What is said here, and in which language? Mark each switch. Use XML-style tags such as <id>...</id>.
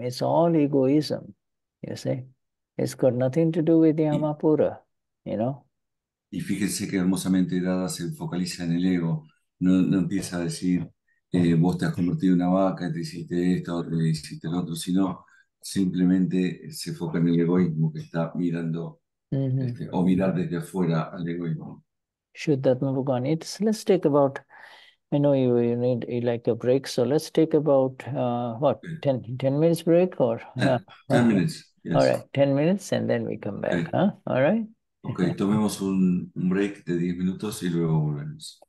<en>It's all egoism. You see? It's got nothing to do with Yamapura. You know?</en> <es>Y fíjense que hermosamente Dada se focaliza en el ego, no empieza a decir, vos te has convertido en una vaca, te hiciste esto, te hiciste lo otro, sino simplemente se enfoca en el egoísmo que está mirando, o mirar desde afuera al egoísmo.</es> <en>Shuddhatma, let's take about, I know you need like a break, so let's take about what, 10 minutes break, or 10 minutes, all yes. right, 10 minutes and then we come back, Okay. huh? All right.</en> <es>Ok, tomemos un break de 10 minutos y luego volvemos.</es>